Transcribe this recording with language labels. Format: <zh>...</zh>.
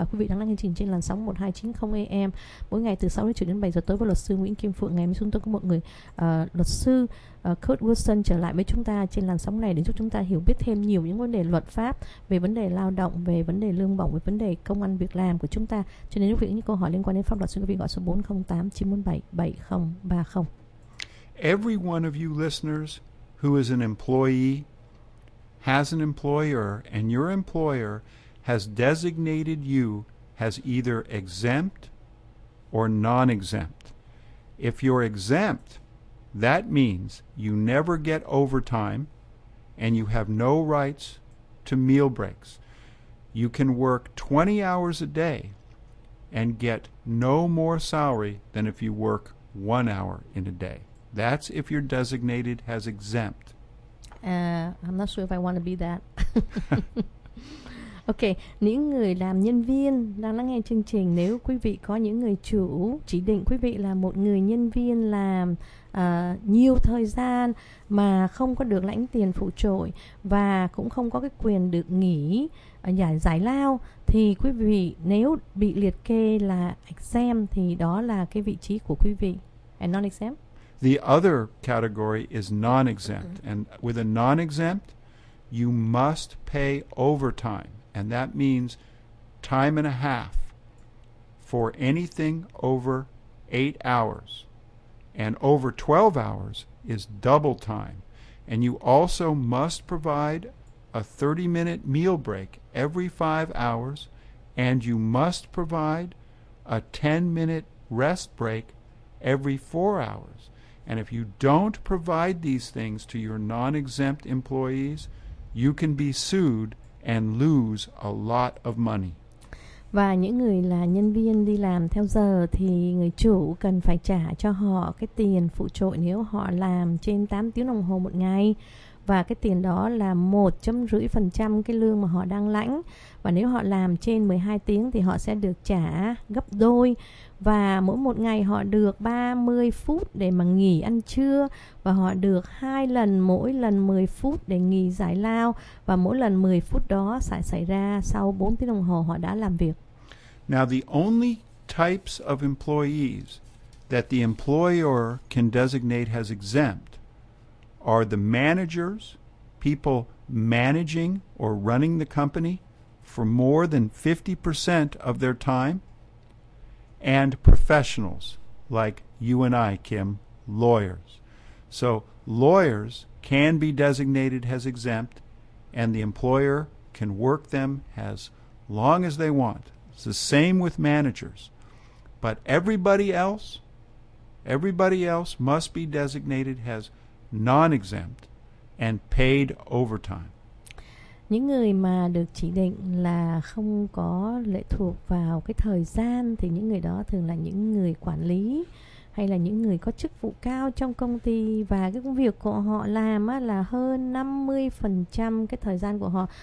<vi>Và quý vị đang lắng nghe chương trình trên làn sóng 1290 AM mỗi ngày từ 6 đến 7 đến 7 giờ tối với luật sư Nguyễn Kim Phượng. Ngày hôm nay chúng tôi có một người luật sư Kurt Wilson trở lại với chúng ta trên làn sóng này để giúp chúng ta hiểu biết thêm nhiều những vấn đề luật pháp, về vấn đề lao động, về vấn đề lương bổng, về vấn đề công ăn việc làm của chúng ta. Cho nên nếu có những câu hỏi liên quan đến pháp luật, xin quý vị gọi số 408-947-7030.</vi> <en>Every one of you listeners who is an employee has an employer, and your employer has designated you as either exempt or non-exempt. If you're exempt, that means you never get overtime and you have no rights to meal breaks. You can work 20 hours a day and get no more salary than if you work 1 hour in a day. That's if you're designated as exempt. I'm not sure if I want to be that.</en> <vi>Ok, những người làm nhân viên đang lắng nghe chương trình, nếu quý vị có những người chủ chỉ định quý vị là một người nhân viên làm nhiều thời gian mà không có được lãnh tiền phụ trội và cũng không có cái quyền được nghỉ giải lao, thì quý vị nếu bị liệt kê là exempt thì đó là cái vị trí của quý vị.</vi> <en>And non-exempt? The other category is non-exempt. And with a non-exempt, you must pay overtime. And that means time and a half for anything over 8 hours. And over 12 hours is double time. And you also must provide a 30-minute meal break every 5 hours. And you must provide a 10-minute rest break every 4 hours. And if you don't provide these things to your non-exempt employees, you can be sued and lose a lot of money.</en> <vi>Và những người là nhân viên đi làm theo giờ thì người chủ cần phải trả cho họ cái tiền phụ trội nếu họ làm trên 8 tiếng đồng hồ một ngày. Và cái tiền đó là 1.5% cái lương mà họ đang lãnh. Và nếu họ làm trên 12 tiếng thì họ sẽ được trả gấp đôi. Và mỗi một ngày họ được 30 phút để mà nghỉ ăn trưa. Và họ được 2 lần mỗi lần 10 phút để nghỉ giải lao. Và mỗi lần 10 phút đó sẽ xảy ra sau 4 tiếng đồng hồ họ đã làm việc.</vi> <en>Now the only types of employees that the employer can designate as exempt are the managers, people managing or running the company for more than 50% of their time, and professionals like you and I, Kim, lawyers. So lawyers can be designated as exempt, and the employer can work them as long as they want. It's the same with managers. But everybody else must be designated as non-exempt and paid overtime.</en> <vi>Những người mà được chỉ định là không có lệ thuộc vào cái thời gian thì những người đó thường là những người quản lý hay là những người có chức vụ cao trong công ty, và cái công việc của họ làm á là hơn 50% cái thời gian của họ.</vi>